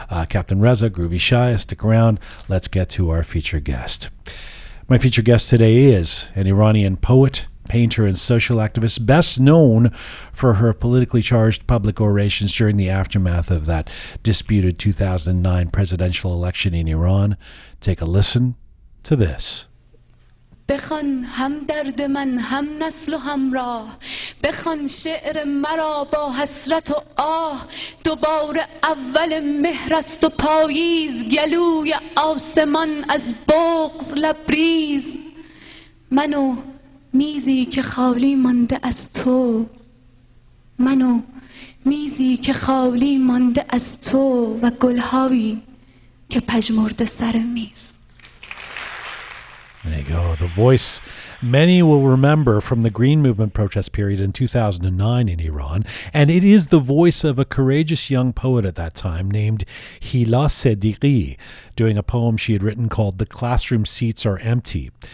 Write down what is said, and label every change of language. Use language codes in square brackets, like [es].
[en] Captain Reza, Groovy Shia, stick around. Let's get to our feature guest. My feature guest today is an Iranian poet, painter, and social activist, best known for her politically charged public orations during the aftermath of that disputed 2009 presidential election in Iran. Take a listen to this. [fa] بخوان هم درد من هم نسل و همراه بخوان شعر مرا با حسرت و آه دوباره اول مهر است و پاییز گلوی آسمان از بغض لبریز منو میزی که خالی مانده از تو منو میزی که خالی مانده از تو و گلهایی که پژمرده سر میز. [en] There you go. The voice many will remember from the Green Movement protest period in 2009 in Iran. And it is the voice of a courageous young poet at that time named Hila Sediri, doing a poem she had written called The Classroom Seats Are Empty.